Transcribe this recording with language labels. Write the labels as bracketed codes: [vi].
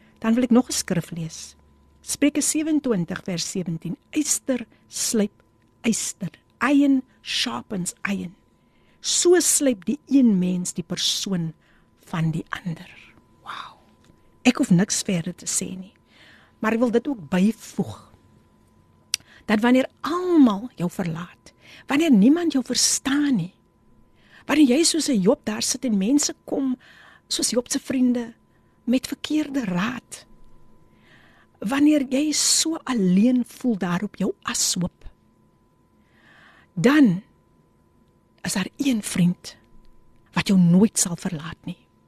[af] Dan wil ek nog 'n skrif lees. Spreuke 27 vers 17. Yster slyp yster. [en] Iron sharpens iron. [af] So slyp die een mens die persoon van die ander. Wow. Ek hoef niks verder te sê nie. Maar ek wil dit ook byvoeg. Dat wanneer almal jou verlaat, wanneer niemand jou verstaan nie, wanneer jy soos 'n Job daar sit en mense kom soos Job se vriende, met verkeerde raad. Wanneer jy so alleen voel daar op jou ashoop, dan is daar een vriend wat jou nooit sal verlaat nie.